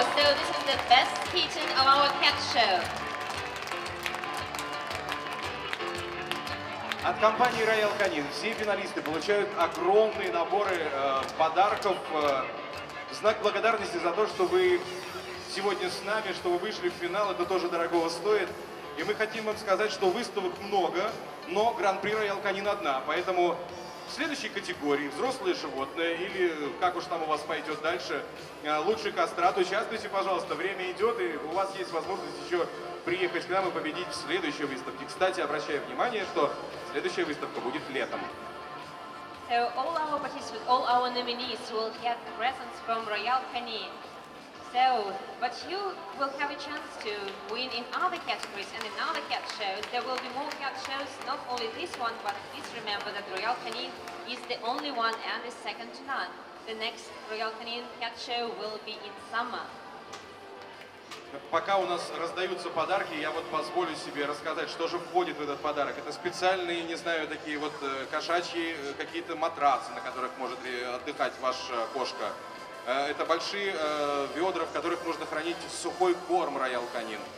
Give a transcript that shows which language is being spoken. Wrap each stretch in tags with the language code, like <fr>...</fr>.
<en>So this is the best kitten of our cat show.</en> <ru>От компании Royal Canin все финалисты получают огромные наборы подарков в знак благодарности за то, что вы сегодня с нами, что вы вышли в финал, это тоже дорогого стоит. И мы хотим вам сказать, что выставок много, но гран-при Royal Canin одна, поэтому в следующей категории взрослые животные или как уж там у вас пойдет дальше, лучший кастрат, участвуйте, пожалуйста, время идет и у вас есть возможность еще приехать к нам и победить в следующей выставке. Кстати, обращаю внимание, что следующая выставка будет летом.</ru> <en>So all our participants, all our nominees will get presents from Royal Canin. So, but you will have a chance to win in other categories and in other cat shows. There will be more cat shows, not only this one, but please remember that Royal Canin is the only one and is second to none. The next Royal Canin cat show will be in summer.</en> <ru>Пока у нас раздаются подарки, я вот позволю себе рассказать, что же входит в этот подарок. Это специальные, не знаю, такие вот кошачьи какие-то матрасы, на которых может отдыхать ваша кошка. Это большие ведра, в которых нужно хранить сухой корм Royal Canin.</ru>